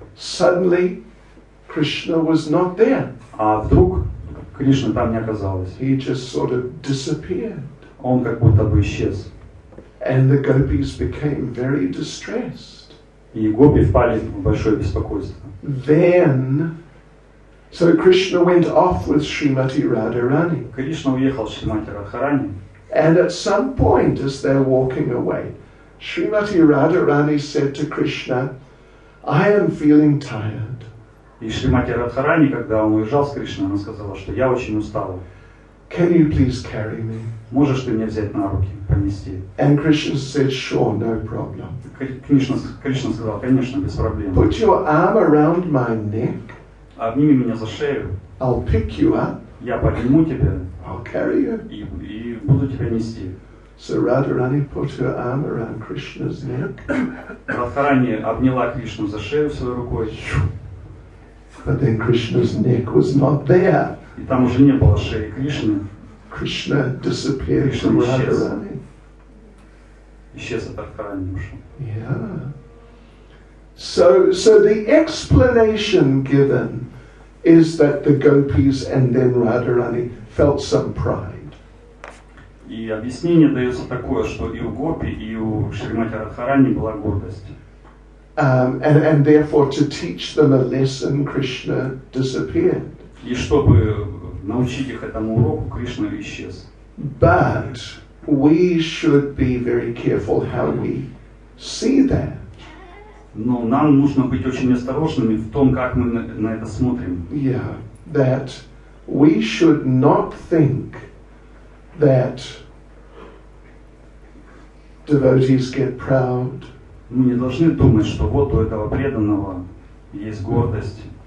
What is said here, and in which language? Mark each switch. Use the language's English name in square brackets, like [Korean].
[English] Suddenly, Krishna was not there. [Russian] А вдруг Кришна там не оказалась. [English] He just sort of disappeared. [Russian] Он как будто бы исчез. [English] And the gopis became very distressed. [Russian] И гопи впали в большое беспокойство. [English] Then, so Krishna went off with Srimati Radharani. [Russian] Кришна уехал с Шримати Радхарани. [English] And at some point, as they're walking away, Srimati Radharani said to Krishna, "I am feeling tired." [Russian] И Шримати Радхарани, когда он уезжал с Кришной, она сказала, что я очень устала. [English] "Can you please carry me?" [Russian] Можешь ты меня взять на руки, понести? [English] And Krishna said, "Sure, no problem." [Russian] Кришна сказал, конечно, без проблем. [English] "Put your arm around my neck." [Russian] Обними меня за шею. [English] I'll pick you up. [Russian] Я подниму тебя. [English] I'll carry you. [Russian] И буду тебя нести. [English] So Radharani put her arm around Krishna's neck. [Russian] Радхарани обняла Кришну за шею своей рукой. [English] But then Krishna's neck was not there. [Russian] И там уже не было шеи Кришны. [English] Krishna disappeared from Radharani. [Russian] Исчез от Радхарани ушел. [English] Yeah. So the explanation given is that the gopis and then Radharani felt some pride. [Russian] И объяснение дается такое, что и у гопи, и у Шримати Радхарани была гордость. [English] And therefore to teach them a lesson, Krishna disappeared. [Russian] И чтобы научить их этому уроку, Кришна исчез. [English] But we should be very careful how we see that. [Russian] Но нам нужно быть очень осторожными в том, как мы на это смотрим. [English] Yeah, that we should not think that devotees get proud. [Russian] Мы не должны думать, что вот у этого преданного есть гордость.